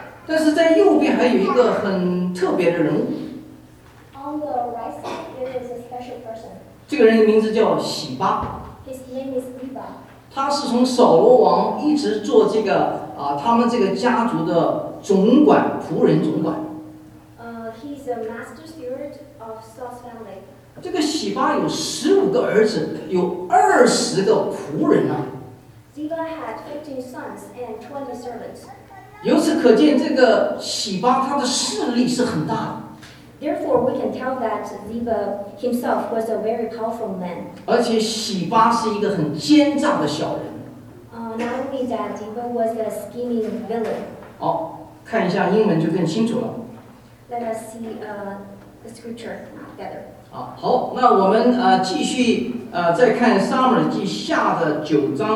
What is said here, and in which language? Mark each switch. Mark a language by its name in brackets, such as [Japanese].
[Chinese] 但是在右边还有一个很特别的人物。 [English] On the right side, there is a special person. [Chinese] 这个人的名字叫洗巴。 [English] His name is Liba. [Chinese] 他是从扫罗王一直做这个他们这个家族的总管，仆人总管。 [English] He is a master steward of Saul's family. [Chinese] 这个洗巴有15个儿子，有20个仆人呢。Ziba [English] had 15 sons and 20 servants. [Chinese] 由此可见，这个洗巴他的势力是很大的。 [English] Therefore, we can tell that Ziba himself was a very powerful man. [Chinese] 而且洗巴是一个很奸诈的小人。 [English] Not only that, Ziba was a scheming villain. [Chinese] 好，看一下英文就更清楚了。 [English] Let us see the scripture together. [Chinese] 好，那我们继续再看撒母耳记下的9:9-10.